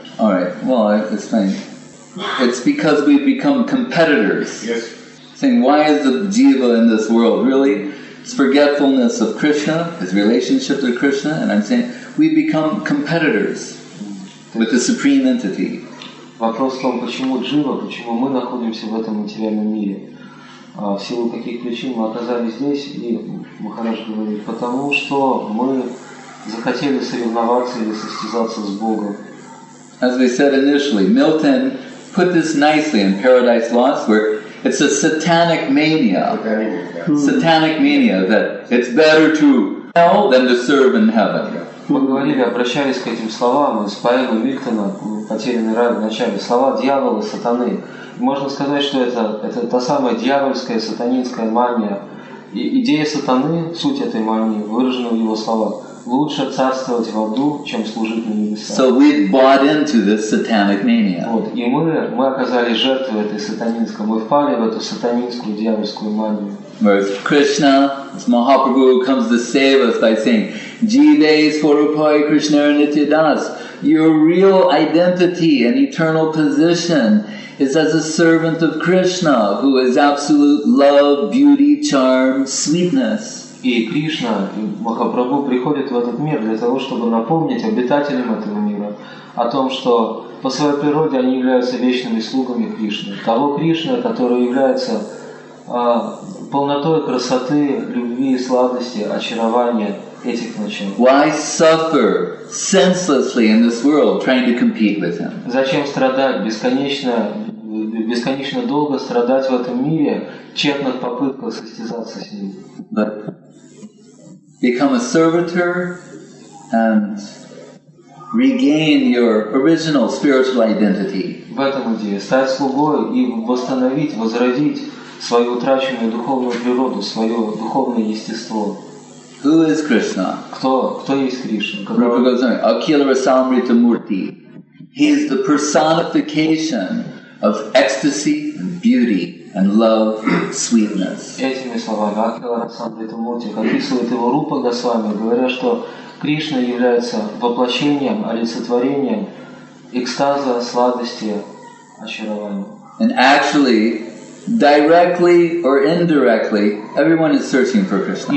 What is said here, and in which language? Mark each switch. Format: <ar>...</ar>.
<en>All right. Well, I explain. It's because we've become competitors. Yes. Saying, why is the jiva in this world? Really? It's forgetfulness of Krishna, his relationship to Krishna. And I'm saying, we've become competitors with the Supreme Entity.</en> <ru>Вопрос в том, почему джива, почему мы находимся в этом материальном мире? В силу каких причин мы оказались здесь? И Махарадж говорит, потому что мы захотели соревноваться или состязаться с Богом.</ru> <en>As we said initially, Milton put this nicely in Paradise Lost, where it's a satanic mania. Satanic mania, that it's better to hell than to serve in heaven.</en> <ru>Мы говорили, обращались к этим словам из поэмы Мильтона «Потерянный рай» в начале. Слова дьявола, сатаны. Можно сказать, что это та самая дьявольская, сатанинская мания. И идея сатаны, суть этой мании, выражена в его словах. Лучше царствовать в аду, чем служить на небесах.</ru> <en>So we bought into this satanic mania.</en> <ru>Вот, и мы оказались жертвой этой сатанинской, мы впали в эту сатанинскую дьявольскую манию.</ru> <en>Whereas Krishna, as Mahaprabhu, comes to save us by saying,</en> <sa>Jive Swarupai Krishna Nitya Das,</sa> <en>your real identity and eternal position is as a servant of Krishna, who is absolute love, beauty, charm, sweetness.</en> <ru>И Кришна, и Махапрабху приходят в этот мир для того, чтобы напомнить обитателям этого мира о том, что по своей природе они являются вечными слугами Кришны. Того Кришны, который является полнотой красоты, любви, сладости, очарования этих начал.</ru> <en>Why suffer senselessly in this world trying to compete with him?</en> <ru>Зачем страдать бесконечно долго страдать в этом мире, тщетных попытках состязаться с ним?</ru> <en>Become a servitor and regain your original spiritual identity.</en> <ru>В этом идее стать слугой и восстановить, возродить свою утраченную духовную природу, свое духовное естество.</ru> <en>Who is Krishna?</en> <ru>Кто есть Кришна?</ru> <en>Rupa Goswami, Akhila Rasamrita Murti. He is the personification of ecstasy and beauty. And love, sweetness.</en> <ru>Этими словами Акхила Расамрита Мурти описывает его Рупа Госвами, говоря, что Кришна является воплощением, олицетворением экстаза, сладости, очарования.</ru> <en>And actually, directly or indirectly, everyone is searching for Krishna.</en>